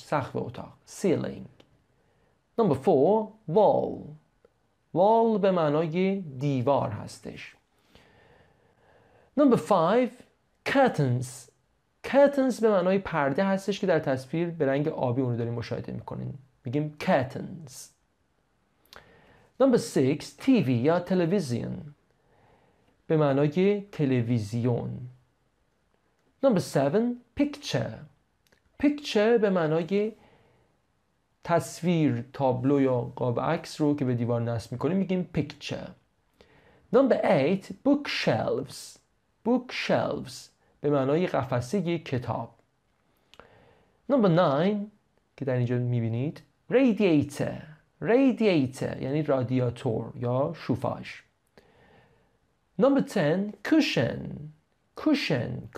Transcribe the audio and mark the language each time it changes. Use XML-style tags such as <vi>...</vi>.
<fa>سقف اتاق.</fa> <en>Ceiling. Number four, wall.</en> <fa>Wall به معنای دیوار هستش.</fa> <en>Number five, curtains.</en> <fa>Curtains به معنای پرده هستش که در تصویر به رنگ آبی اونو داریم مشاهده میکنین. میگیم curtains.</fa> <en>Number six, TV</en> <fa>یا تلویزیون. به معنای تلویزیون.</fa> <en>Number seven, picture.</en> <fa>Picture به معنای تصویر، تابلو یا قاب عکس رو که به دیوار نصب میکنیم میگیم picture.</fa> <en>Number eight, bookshelves.</en> <fa>Bookshelves به معنای قفسه کتاب.</fa> <en>Number nine</en> <fa>که در اینجا میبینید radiator. Radiator یعنی رادیاتور یا شوفاژ.</fa> <en>Number ten cushion. Cushion.</en>